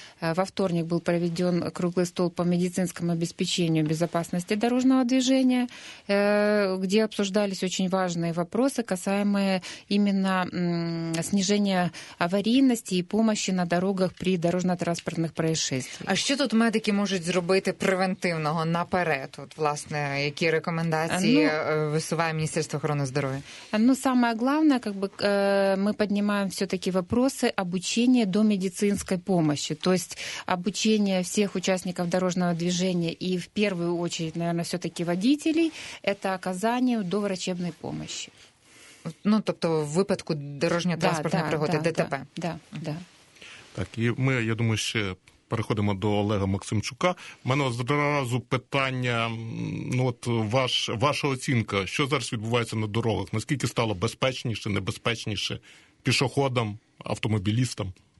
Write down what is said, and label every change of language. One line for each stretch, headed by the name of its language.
Russian: Во вторник был проведен круглый стол по медицинскому обеспечению безопасности дорожного движения, где обсуждались очень важные вопросы, касаемые именно снижения аварийности и помощи на дорогах при дорожно-транспортных происшествиях. А что тут медики могут сделать превентивного наперед? Вот,
Ukrainian: власне, какие рекомендации висуває Міністерство охорони здоров'я?
Russian: Ну, самое главное, как бы, мы поднимаем все-таки вопросы обучения до медицинской помощи. То есть обучение всех участников дорожного движения и в первую очередь, наверное, все-таки водителей, это оказание доврачебной помощи.
Ukrainian: Ну, тобто в випадку дорожньо-транспортної пригоди, ДТП.
Russian: Да.
Ukrainian: Так, і ми, я думаю, ще переходимо до Олега Максимчука. У мене одразу питання, ну от ваша оцінка, що зараз відбувається на дорогах? Наскільки стало безпечніше, небезпечніше пішоходам, автомобілістам?